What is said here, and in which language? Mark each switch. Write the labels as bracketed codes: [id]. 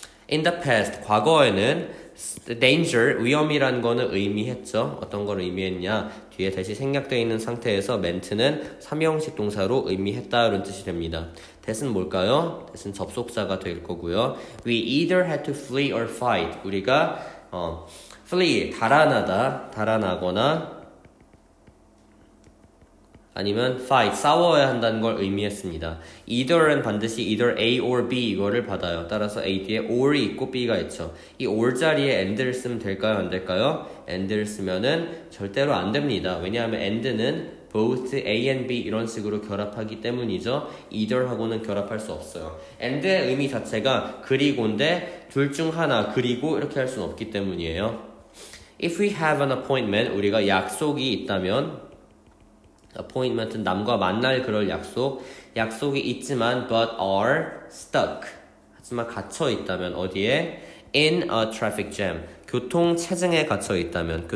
[en] In the past, [ko] 과거에는 danger, 위험이라는 거는 의미했죠. 어떤 걸 의미했냐. 뒤에 대시 생략되어 있는 상태에서 멘트는 3형식 동사로 의미했다 라는 뜻이 됩니다. that은 뭘까요? that은 접속사가 될 거고요. [en] We either had to flee or fight. [ko] 우리가 flee, 달아나다, 달아나거나 아니면 fight, 싸워야 한다는 걸 의미했습니다. either은 반드시 either A or B 이거를 받아요. 따라서 A 뒤에 or이 있고 B가 있죠. 이 or 자리에 and를 쓰면 될까요, 안 될까요? and를 쓰면은 절대로 안 됩니다. 왜냐하면 and는 both A and B 이런 식으로 결합하기 때문이죠. either하고는 결합할 수 없어요. and의 의미 자체가 그리고인데 둘 중 하나 그리고 이렇게 할 수는 없기 때문이에요. [en] If we have an appointment, [ko] 우리가 약속이 있다면 appointment은 남과 만날 그럴 약속, 약속이 있지만 [en] but are stuck, [ko] 하지만 갇혀 있다면 어디에? [en] in a traffic jam, [ko] 교통체증에 갇혀 있다면.